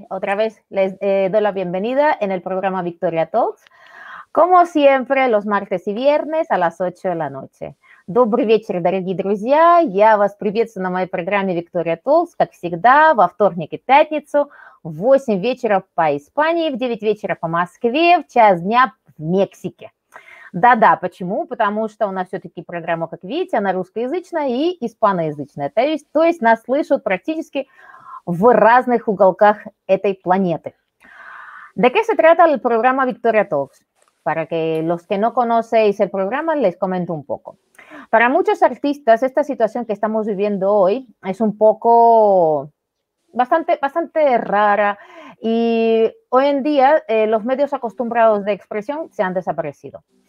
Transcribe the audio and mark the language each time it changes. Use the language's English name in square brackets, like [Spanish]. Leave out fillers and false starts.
[Spanish] Otra vez les doy la bienvenida en el programa Victoria Talks. Como siempre, los martes y viernes a las 8 de la noche. [Russian] Добрый вечер, дорогие друзья. Я вас приветствую на моей программе Victoria Talks, как всегда, во вторник и пятницу в 8 вечера по Испании, в 9 вечера по Москве, в час дня в Мексике. Да-да, почему? Потому что у нас все-таки программа, как видите, она русскоязычная и испаноязычная. То есть нас слышат практически в разных уголках этой планеты. [Spanish] ¿De qué se trata el programa Victoria Talks? Para que los que no conocéis el programa les comento un poco. Para muchos artistas esta situación que estamos viviendo hoy es un poco bastante rara y hoy en día los medios acostumbrados de expresión se han desaparecido.